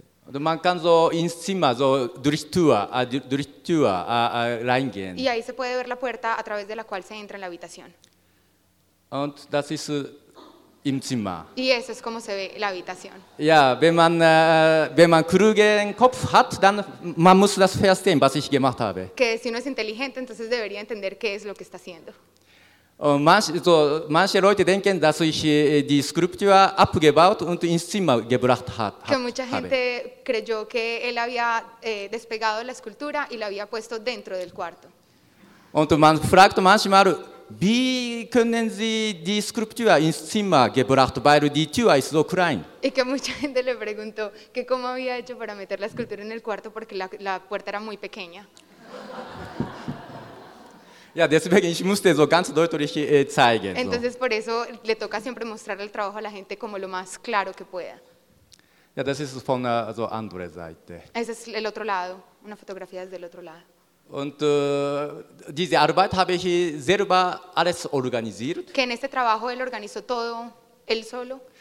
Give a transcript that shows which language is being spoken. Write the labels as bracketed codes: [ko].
[de] Man kann so ins Zimmer so durch Tür reingehen. [es] Y ahí se puede ver la puerta a través de la cual se entra en la habitación. [de] Und das ist im Zimmer. [es] Y eso es como se ve la habitación. [de] Ja, wenn man klugen Kopf hat, dann man muss das verstehen, was ich gemacht habe. [es] Que si uno es inteligente, entonces debería entender qué es lo que está haciendo. [de] Und manche Leute denken, dass ich die Skulptur abgebaut und ins Zimmer gebracht habe. [es] Que mucha gente creyó que él había despegado la escultura y la había puesto dentro del cuarto. [de] Und man fragt manchmal, wie können Sie die Skulptur ins Zimmer gebracht, weil die Tür ist so klein? [es] Y que mucha gente le preguntó que cómo había hecho para meter la escultura en el cuarto porque la puerta era muy pequeña. [de] Ja, deswegen ich musste so ganz deutlich zeigen. [es] Entonces so. Por eso le toca siempre mostrar el trabajo a la gente como lo más claro que pueda. [de] Ja, das ist von so andere Seite. [es] Ese es el otro lado, una fotografía desde el otro lado. [de] Und diese Arbeit habe ich selber alles organisiert. [es] Que en este trabajo él organizó todo él solo.